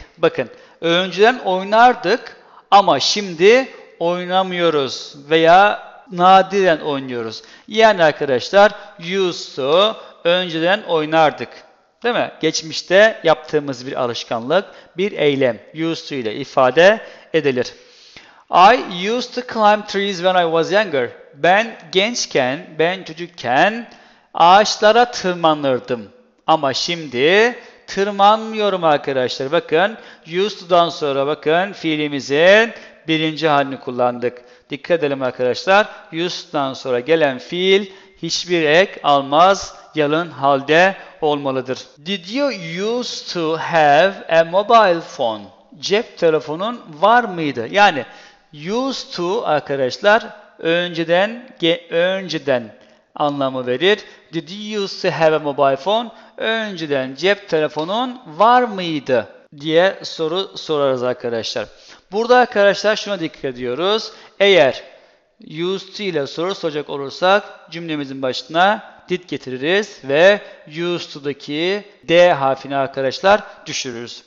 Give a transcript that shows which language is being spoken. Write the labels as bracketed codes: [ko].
[tr] Bakın, önceden oynardık ama şimdi oynamıyoruz veya nadiren oynuyoruz. Yani arkadaşlar used to önceden oynardık. Değil mi? Geçmişte yaptığımız bir alışkanlık, bir eylem used to ile ifade edilir. [en] I used to climb trees when I was younger. [tr] Ben gençken, ben çocukken ağaçlara tırmanırdım. Ama şimdi tırmanmıyorum arkadaşlar. Bakın used to'dan sonra bakın fiilimizin birinci halini kullandık. Dikkat edelim arkadaşlar. Used to'dan sonra gelen fiil hiçbir ek almaz, yalın halde olmalıdır. [en] Did you used to have a mobile phone? [tr] Cep telefonun var mıydı? Yani used to arkadaşlar önceden anlamı verir. [en] Did you used to have a mobile phone? [tr] Önceden cep telefonun var mıydı diye soru sorarız arkadaşlar. Burada arkadaşlar şuna dikkat ediyoruz. Eğer used to ile soru soracak olursak cümlemizin başına did getiririz ve used to'daki D harfini arkadaşlar düşürürüz.